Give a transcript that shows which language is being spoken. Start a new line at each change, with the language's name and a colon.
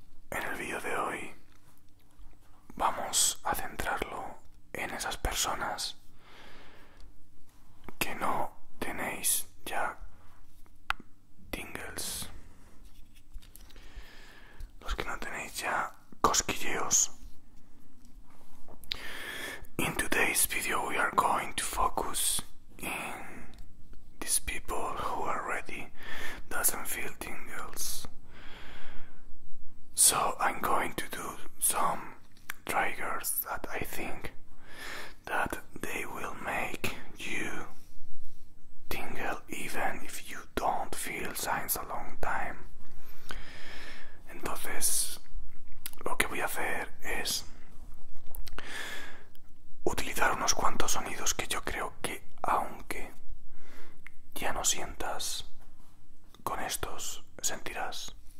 Spanish: En el vídeo de hoy vamos a centrarlo en esas personas que no tenéis ya tingles, los que no tenéis ya cosquilleos.
English: In today's video we are going to focus in these people who already doesn't feel tingles. So I'm going to do some triggers that I think that they will make you tingle even if you don't feel signs a long time.
Spanish: Entonces, lo que voy a hacer es utilizar unos cuantos sonidos que yo creo que, aunque ya no sientas con estos, sentirás.